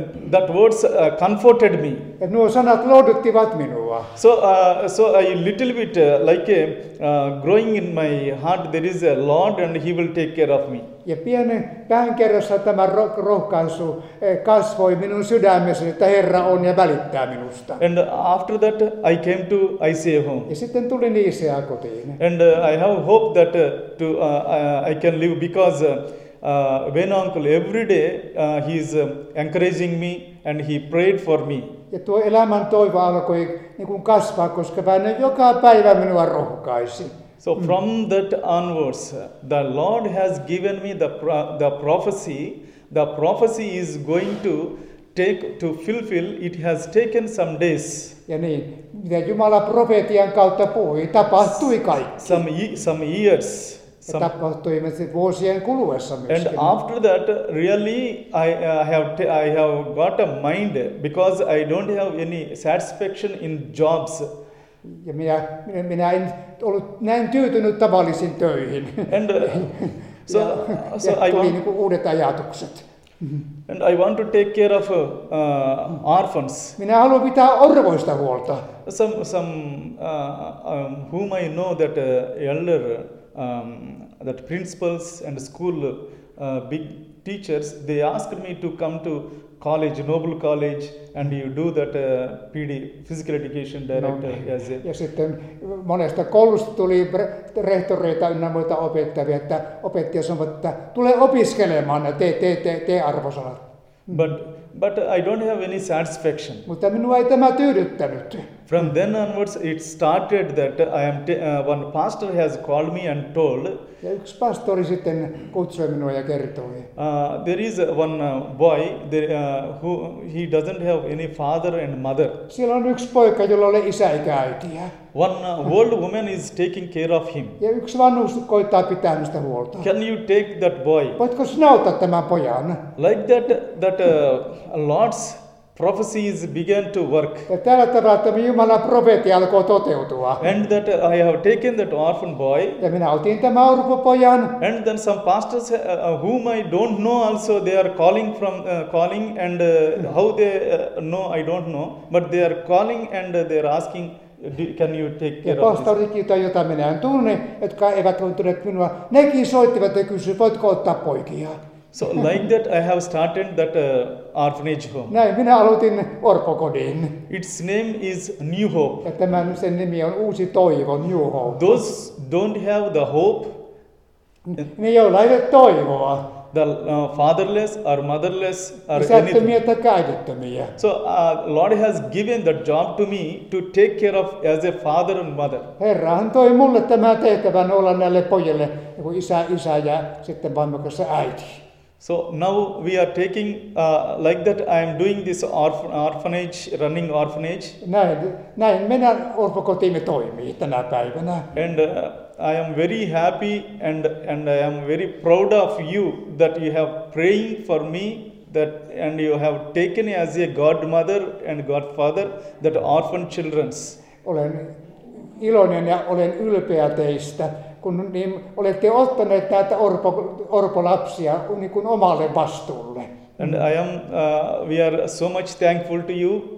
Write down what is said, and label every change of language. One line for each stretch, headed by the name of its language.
English: That words comforted me.
Finnish: Et nuo sanat lohduttivat minua.
English: So I little bit like growing in my heart, there is a Lord and he will take care of me.
Finnish: Ja pienen päänkerrassa tämä rohkaisu kasvoi minun sydämessäni, että Herra on ja välittää minusta.
English: And after that I came to ICA home.
Finnish: Ja sitten tulin ICA kotiin.
English: And I have hope that I can live because Veino uncle every day he is encouraging me and he prayed for me.
Finnish: Ja tuo elämän toivo alkoi niin kuin kasvaa, koska Väinö joka päivä minua rohkaisi.
English: So from that onwards, the Lord has given me the prophecy. The prophecy is going to take to fulfill. It has taken some days.
Finnish: Ja niin, mitä Jumala profeetian kautta puhui, tapahtui kaikki.
English: Some years.
Finnish: Ja tapahtui myös vuosien kuluessa myöskin.
English: And after that, really, I have got a mind because I don't have any satisfaction in jobs.
Finnish: Ja minä en ollut näin tyytynyt tavallisiin töihin.
English: And so
Finnish: ja tuli niin kuin uudet ajatukset.
English: And I want to take care of orphans.
Finnish: Minä haluan pitää orvoista huolta.
English: Some whom I know that elder, that principals and school big teachers, they asked me to come to college, Noble College, and you do that PD, physical education director. No, as
Finnish: ja sitten monesta koulusta tuli rehtoreita ynnä muita opettavia, että opettaja sanoi, että tule opiskelemaan ja tee arvosanat.
English: But I don't have any satisfaction.
Finnish: Mutta minua ei tämä tyydyttänyt.
English: From then onwards, it started that one pastor has called me and told.
Finnish: Ja yksi pastori sitten kutsui minua ja kertoi.
English: There is one boy who he doesn't have any father and mother.
Finnish: Siellä on yksi poika, jolla ei isä eikä äitiä.
English: One old woman is taking care of him.
Finnish: Ja yksi vanhus koittaa pitää hänestä huolta.
English: Can you take that boy?
Finnish: Voitko sinä ottaa tämän pojan?
English: Like that Lord's prophecy is began to work.
Finnish: Ja tällä tavalla tämä Jumalan profeetia alkoi toteutua.
English: And that I have taken that orphan boy.
Finnish: Ja minä otin tämän orpopojan.
English: And then some pastors whom I don't know also they are calling from calling and how they know I don't know, but they are calling and they are asking, can you take care of this?
Finnish: Pastorikin, jota minä en tunne, jotka eivät tunne minua, nekin soittivat ja kysyivät, voitko ottaa poikia.
English: So like that I have started that orphanage home.
Finnish: Näin minä aloitin orpokodin.
English: Its name is New Hope.
Finnish: Ja tämän sen nimi on Uusi Toivo, New Hope.
English: Those don't have the hope.
Finnish: Ne joilla ei ole toivoa.
English: The fatherless or motherless or
Finnish: isättömiä.
English: So Lord has given the job to me to take care of as a father and mother.
Finnish: Herra antoi mulle tämän tehtävän olla näille pojille joku isä ja sitten vaimokas äiti.
English: So now we are taking like that I am doing this orphanage, running orphanage.
Finnish: Näin minä orpokotimme toimii tänä päivänä.
English: And I am very happy and I am very proud of you that you have praying for me that and you have taken as a godmother and godfather that orphan children's.
Finnish: Olen iloinen ja olen ylpeä teistä. Kun niin olette ottaneet näitä orpolapsia niin kuin omalle vastuulle.
English: And I am we are so much thankful to you.